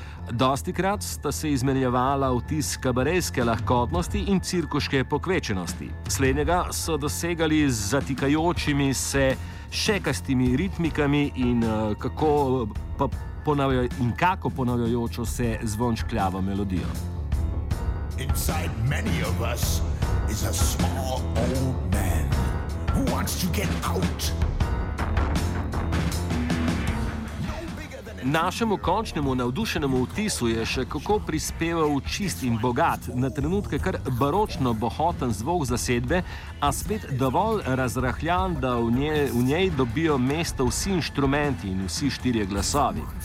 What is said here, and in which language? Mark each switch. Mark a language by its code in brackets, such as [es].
[sl] Dostikrat sta se izmenjevala vtis kabarejske lahkotnosti in cirkuške pokvečenosti. Slednjega so dosegali z zatikajočimi se šekastimi ritmikami in kako ponavljajočo se zvončkljavo melodijo. [en] Inside many of us is a small old man who wants to get out. [sl] Našemu končnemu navdušenemu vtisu je še kako prispeval čist in bogat, na trenutke kar baročno bohoten zvok zasedbe, a spet dovolj razrahljan, da v njej dobijo mesto vsi inštrumenti in vsi štirje glasovi.